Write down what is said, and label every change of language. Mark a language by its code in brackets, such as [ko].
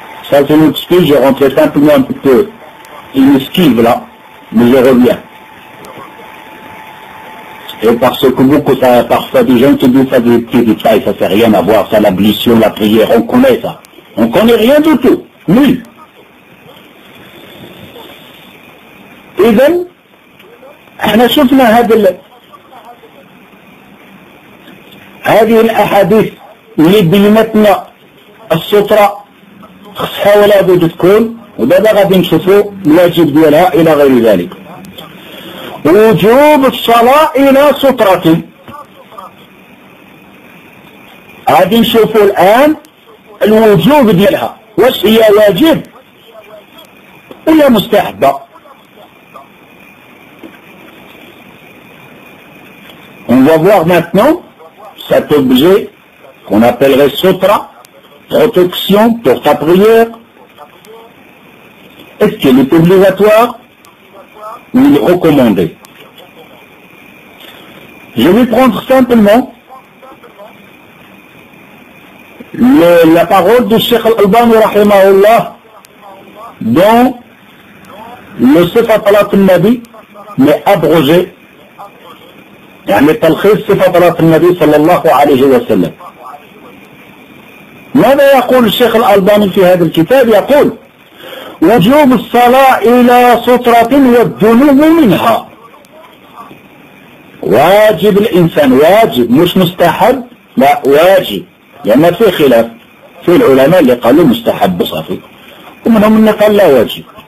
[fr] Ça c'est une excuse, je rentre simplement un peu, il esquive là, mais je reviens. Et parce que beaucoup, ça, parfois des gens qui disent ça des petits détails, ça fait rien à voir, ça l'ablution, la prière, on connaît ça. On connaît rien du tout, nul. [ar] إذن احنا شفنا هذه الاحاديث اللي بلمتنا السطرة خصها ولا بد تكون ودابا غادي نشوفوا الواجب ديالها الى غير ذلك وجوب الصلاة الى سطرة غادي نشوفوا الان الوجوب ديالها واش هي واجب ولا مستحبة [fr] On va voir maintenant cet objet qu'on appellerait sutra, protection pour ta prière. Est-ce qu'il est obligatoire ou il est recommandé? Je vais prendre simplement la parole du Cheikh Al-Albani rahimahullah dans le Sifat al-Nabi, mais abrogé. [ar] يعني تلخيص صفة النبي صلى الله عليه وسلم ماذا يقول الشيخ الألباني في هذا الكتاب يقول وجوب الصلاة إلى سترة والذنوب منها واجب الإنسان واجب مش مستحب لا واجب لأن في خلاف في العلماء اللي قالوا مستحب صافي ومنهم اللي قال لا واجب